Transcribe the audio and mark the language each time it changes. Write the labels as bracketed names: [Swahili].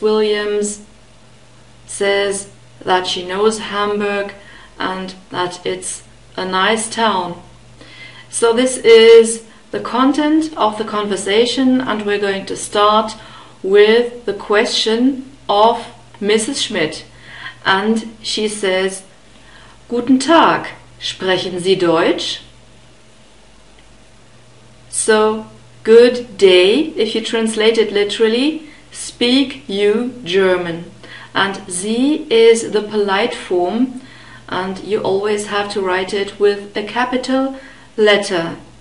[English] Williams says that she knows Hamburg and that it's a nice town. So this is the content of the conversation and we're going to start with the question of Mrs. Schmidt. And she says, [German] "Guten Tag, sprechen Sie Deutsch?" [English] So, good day, if you translate it literally, speak you German. And Sie is the polite form and you always have to write it with a capital letter.